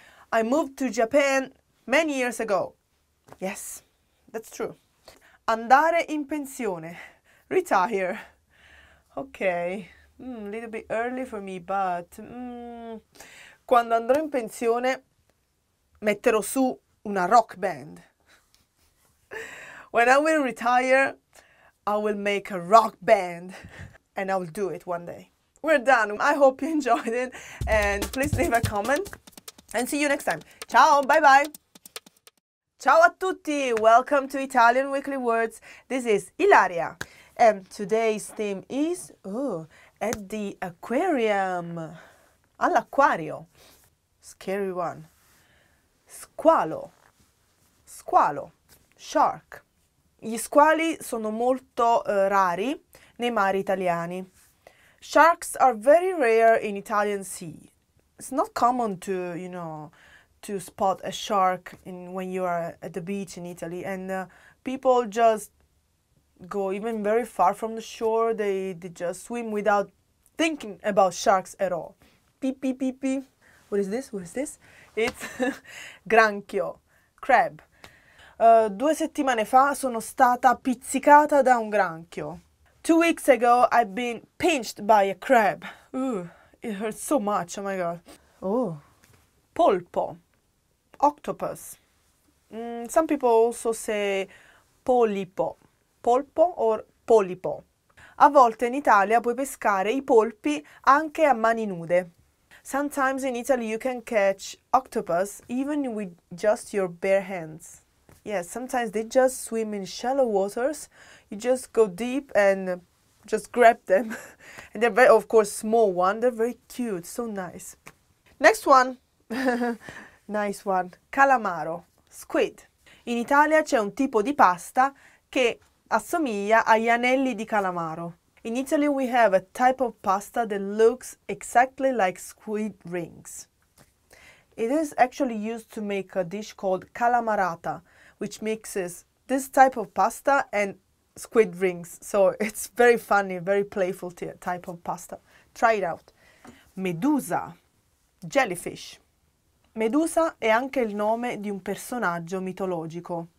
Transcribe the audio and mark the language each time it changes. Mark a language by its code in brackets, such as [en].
[en] I moved to Japan many years ago. Yes, that's true. [it] Andare in pensione. Retire. Okay. [en] A little bit early for me, but... [it] Quando andrò in pensione, metterò su una rock band. [en] When I will retire, I will make a rock band. And I will do it one day. We're done. I hope you enjoyed it. And please leave a comment. And see you next time. Ciao, bye bye. [it] Ciao a tutti. [en] Welcome to Italian Weekly Words. This is Ilaria. And today's theme is... at the aquarium. All'acquario. Scary one. Squalo. Squalo. Shark. [it] Gli squali sono molto rari nei mari italiani. [en] Sharks are very rare in Italian sea. It's not common to, you know, to spot a shark in when you are at the beach in Italy. And people just go even very far from the shore. They just swim without thinking about sharks at all. Pee, pee, pee, pee. What is this? What is this? It's granchio, crab. [it] Due settimane fa sono stata pizzicata da un granchio. [en] 2 weeks ago, I've been pinched by a crab. Ooh, it hurts so much, oh my god. Oh, polpo, octopus. Some people also say polipo. Polpo or polipo. [it] A volte in Italia puoi pescare I polpi anche a mani nude. [en] Sometimes in Italy you can catch octopus even with just your bare hands. Yes, sometimes they just swim in shallow waters. You just go deep and just grab them. And they're very, of course, small one. They're very cute, so nice. Next one. Nice one. Calamaro. Squid. [it] In Italia c'è un tipo di pasta che assomiglia agli anelli di calamaro. [en] In Italy we have a type of pasta that looks exactly like squid rings. It is actually used to make a dish called calamarata, which mixes this type of pasta and squid rings. So it's very funny, very playful type of pasta. Try it out. Medusa, jellyfish. [it] Medusa è anche il nome di un personaggio mitologico.